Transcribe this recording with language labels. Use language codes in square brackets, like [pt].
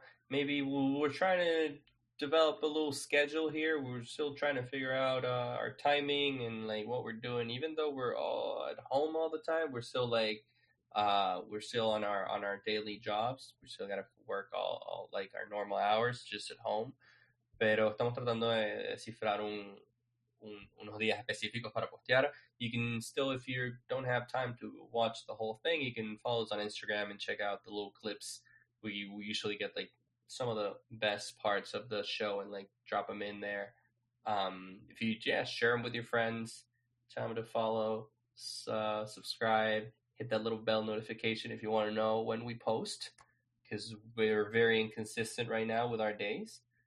[en] Maybe we're trying to develop a little schedule here. We're still trying to figure out our timing and like what we're doing. Even though we're all at home all the time, we're still like we're still on our daily jobs. We still got to work all like our normal hours just at home. [es] Pero estamos tratando de descifrar unos días específicos para postear. [en] You can still, if you don't have time to watch the whole thing, you can follow us on Instagram and check out the little clips. We usually get like some of the best parts of the show and like drop them in there. If you just share them with your friends, tell them to follow, subscribe, hit that little bell notification if you want to know when we post, because we're very inconsistent right now with our days.